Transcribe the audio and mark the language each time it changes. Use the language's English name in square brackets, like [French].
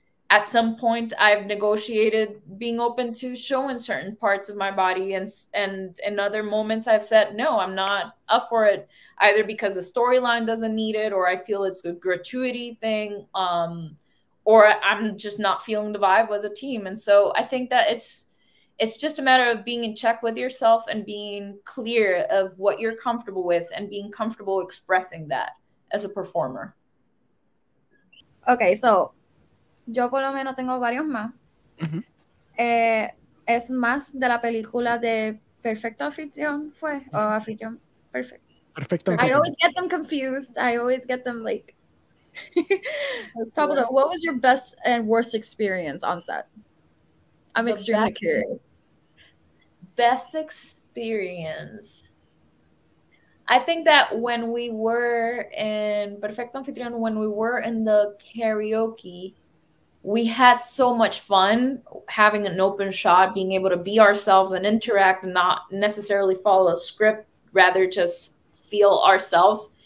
[English] At some point, I've negotiated being open to showing certain parts of my body, and in other moments, I've said, no, I'm not up for it, either because the storyline doesn't need it, or I feel it's a gratuity thing, or I'm just not feeling the vibe with the team. And so I think that it's just a matter of being in check with yourself and being clear of what you're comfortable with and being comfortable expressing that as a performer. [Spanish] Okay, so yo por lo menos tengo varios más. Mm-hmm. Es más de la película de Perfecto Anfitrión, fue, o Anfitrión, perfect. Perfecto. [English] I always get them confused. I always get them like, Tabula, what was your best and worst experience on set? I'm extremely curious. Best experience. I think that when we were in Perfecto Anfitrión, when we were in the karaoke, we had so much fun having an open shot, being able to be ourselves and interact and not necessarily follow a script, rather just feel ourselves.